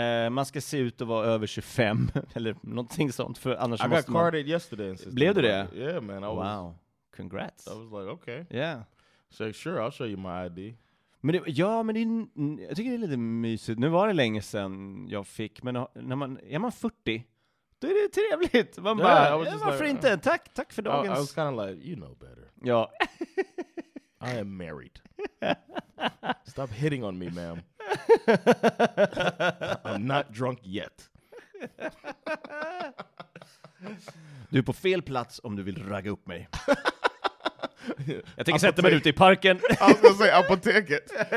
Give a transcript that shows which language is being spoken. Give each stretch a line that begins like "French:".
Swedish: Man ska se ut att vara över 25 eller någonting sånt, för annars
English: I got carded yesterday in system.
Swedish: Blev du det?
English: Yeah man, congrats. I was like okay. Yeah. So sure, I'll show you my ID.
Swedish: Men jag tycker det är lite mysigt. Nu var det länge sedan jag fick, men när man är man 40, då är det trevligt. Man varför inte? Tack för dagens.
English: I was kind of like you know better.
Swedish: Ja.
English: I am married. Stop hitting on me, ma'am. I'm not drunk yet.
Swedish: Du är på fel plats om du vill ragga upp mig. Jag tänker sätta mig ute i parken. Han ska säga apoteket.